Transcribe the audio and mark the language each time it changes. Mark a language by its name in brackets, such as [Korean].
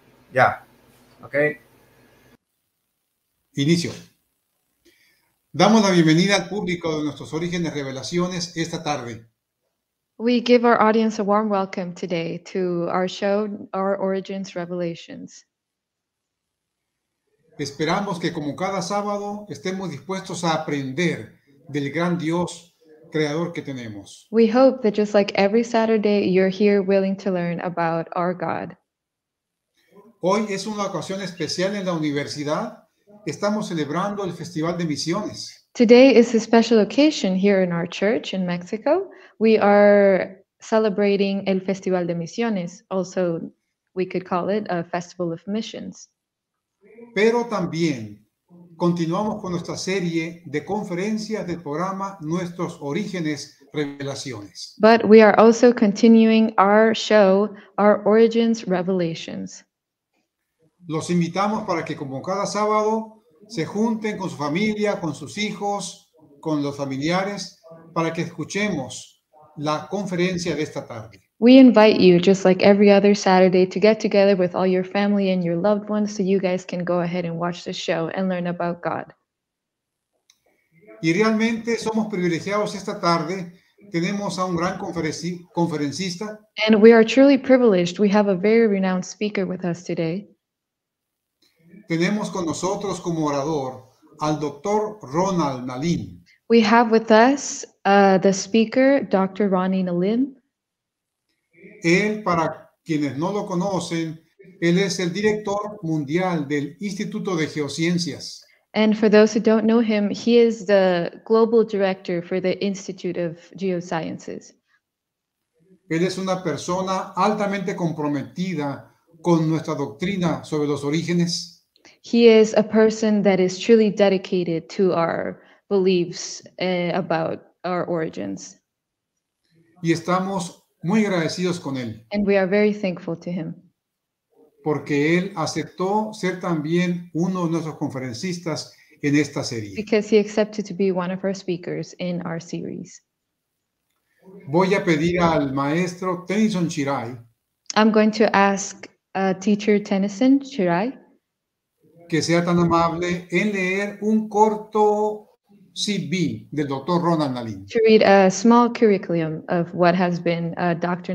[Spanish] Ya, ok. Inicio. Damos la bienvenida al público de Nuestros Orígenes Revelaciones esta tarde. [English] We give our audience a warm welcome today to our show, Our Origins Revelations. [Spanish] Esperamos que, como cada sábado, estemos dispuestos a aprender del gran Dios creador que tenemos. [English] We hope that just like every Saturday, you're here willing to learn about our God. [Spanish] Hoy es una ocasión especial en la universidad. Estamos celebrando el Festival de Misiones. [English] Today is a special occasion here in our church in Mexico. We are celebrating el Festival de Misiones. Also, we could call it a Festival of Missions. [Spanish] Pero también continuamos con nuestra serie de conferencias del programa Nuestros Orígenes Revelaciones. [English] But we are also continuing our show, Our Origins Revelations. [Spanish] Los invitamos para que, como cada sábado, se junten con su familia, con sus hijos, con los familiares, para que escuchemos la conferencia de esta tarde. [English] We invite you, just like every other Saturday, to get together with all your family and your loved ones so you guys can go ahead and watch the show and learn about God. [Spanish] Y realmente somos privilegiados esta tarde. Tenemos a un gran conferencista. [English] And we are truly privileged. We have a very renowned speaker with us today. [Spanish] Tenemos con nosotros como orador al Dr. Ronald Nalin. [English] We have with us the speaker, Dr. Ronnie Nalin. [Spanish] Él, para quienes no lo conocen, él es el director mundial del Instituto de Geociencias. [English] And for those who don't know him, he is the global director for the Institute of Geosciences. [Spanish] Él es una persona altamente comprometida con nuestra doctrina sobre los orígenes. [English] He is a person that is truly dedicated to our beliefs about our origins. [Spanish] Y estamos muy agradecidos con él. [English] And we are very thankful to him. [Spanish] Porque él aceptó ser también uno de nuestros conferencistas en esta serie. [English] Because he accepted to be one of our speakers in our series. [Spanish] Voy a pedir al maestro Tennyson Chirai. [English] I'm going to ask teacher Tennyson Chirai. [Spanish] Que sea tan amable en leer un corto CV del Dr. Ronald Nalin. [English] To read a small curriculum of what has been Dr.